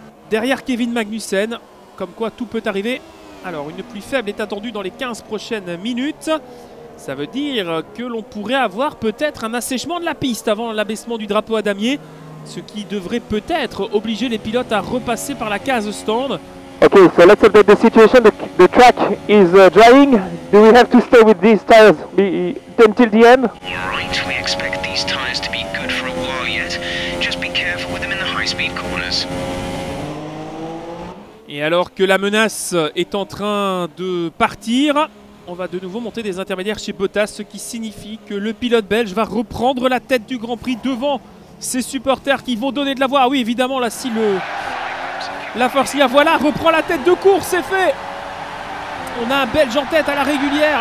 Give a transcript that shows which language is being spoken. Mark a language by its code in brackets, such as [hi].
[fr] Derrière Kevin Magnussen, comme quoi tout peut arriver. Alors, une pluie faible est attendue dans les 15 prochaines minutes. Ça veut dire que l'on pourrait avoir peut-être un assèchement de la piste avant l'abaissement du drapeau à damier, ce qui devrait peut-être obliger les pilotes à repasser par la case stand. [en] Okay, so let's update the situation. The track is drying. Do we have to stay with these tires until the end? Right, we expect these tires to be good for a while yet. Just be careful with them in the high-speed corners. [fr] Et alors que la menace est en train de partir, on va de nouveau monter des intermédiaires chez Bottas, ce qui signifie que le pilote belge va reprendre la tête du Grand Prix devant ses supporters qui vont donner de la voix. Ah oui, évidemment, là, si le... La Force India, voilà, reprend la tête de course, c'est fait. On a un Belge en tête à la régulière.